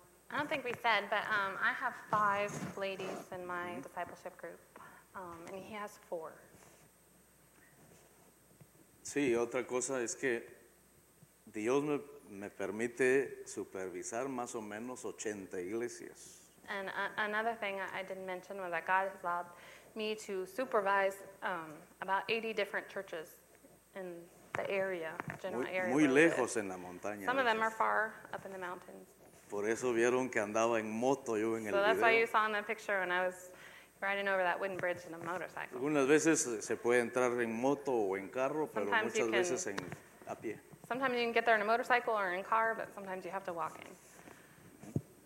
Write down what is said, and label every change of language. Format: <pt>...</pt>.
<en>I don't think we said, but I have 5 ladies in my discipleship group, and he has 4.</en> <es>Sí, otra cosa es que Dios me permite supervisar más o menos 80 iglesias.</es> <en>And another thing I didn't mention was that God has allowed me to supervise about 80 different churches in the area, general</en> <es>muy,</es> <en>area.</en> <es>Muy lejos en la montaña.</es> <en>Some of them are far up in the mountains.</en> <es>Por eso vieron que andaba en moto yo en el video.</es> <en>So that's why you saw in that picture when I was riding over that wooden bridge in a motorcycle.</en> <es>Algunas veces se puede entrar en moto o en carro, pero muchas veces en a pie.</es> <en>Sometimes you can get there in a motorcycle or in car, but sometimes you have to walk in.</en>